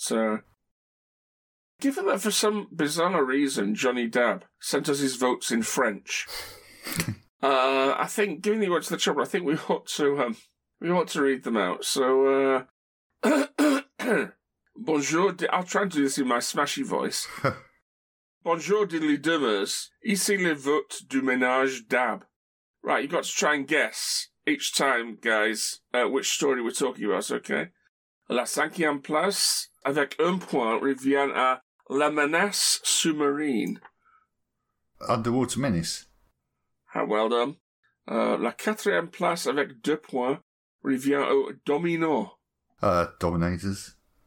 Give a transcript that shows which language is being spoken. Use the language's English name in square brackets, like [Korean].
[English] So, given that for some bizarre reason Johnny Dab sent us his votes in French, I think, given he went to the trouble, I think we ought to read them out. So. Bonjour, I'll try and do this in my smashy voice. Bonjour, diddly dummers. [French] Ici le vote du ménage Dab. [English] Right, you've got to try and guess each time, guys, which story we're talking about, okay? [French] La cinquième place, avec un point, revient à La menace sous-marine. [English] Underwater menace. How well done. [French] La quatrième place, avec deux points, revient au domino. [English] Dominators.